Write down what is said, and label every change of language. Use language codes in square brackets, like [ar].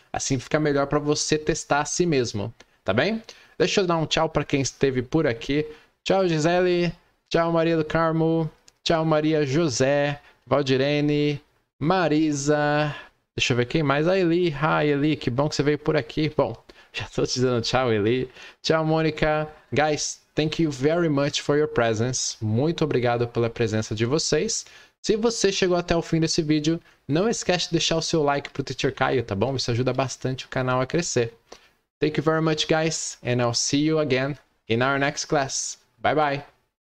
[pt] Assim fica melhor para você testar a si mesmo, tá bem? Deixa eu dar um tchau para quem esteve por aqui. Tchau, Gisele. Tchau, Maria do Carmo. Tchau, Maria José. Valdirene. Marisa. Deixa eu ver quem mais. A Eli. Ah, Eli, que bom que você veio por aqui. Bom, já estou te dizendo tchau, Eli. Tchau, Mônica. [en] Guys, thank you very much for your presence. [pt] Muito obrigado pela presença de vocês. Se você chegou até o fim desse vídeo, não esquece de deixar o seu like pro Teacher Caio, tá bom? Isso ajuda bastante o canal a crescer. [en] Thank you very much, guys, and I'll see you again in our next class. Bye bye.